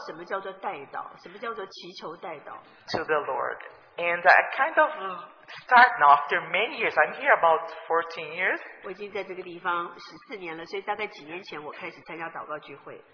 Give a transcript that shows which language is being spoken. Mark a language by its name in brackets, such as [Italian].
[Chinese] 那时候我个人里面不知道什么叫做代祷，什么叫做祈求代祷。 [English] To the Lord, and I kind of start now after many years. I'm here about 14 years. [Chinese] 我已经在这个地方14年了，所以大概几年前我开始参加祷告聚会。